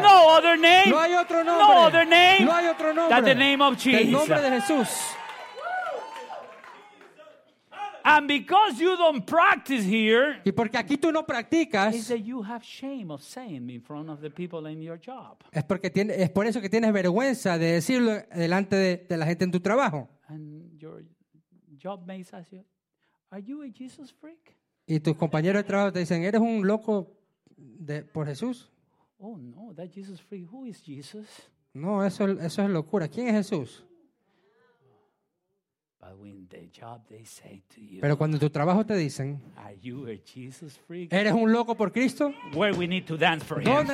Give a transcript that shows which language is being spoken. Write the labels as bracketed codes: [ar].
[en] No other name. [es] No hay otro nombre. [en] No other name. [es] No hay otro nombre. [en] That the name of Jesus. [es] Que el nombre de Jesús. [en] And because you don't practice here, [es] y porque aquí tú no practicas, [en] is that you have shame of saying in front of the people in your job. [es] Es porque tiene, es por eso que tienes vergüenza de decirlo delante de la gente en tu trabajo. [en] And your job mates ask you, are you a Jesus freak? [es] Y tus compañeros de trabajo te dicen, ¿eres un loco de, por Jesús? [en] Oh no, that Jesus freak, who is Jesus? [es] No, eso es locura. ¿Quién es Jesús? [en] When the job they say to you, [es] pero cuando en tu trabajo te dicen, [en] are you a Jesus freak? [es] ¿Eres un loco por Cristo? [en] Where we need to dance for [es] ¿dónde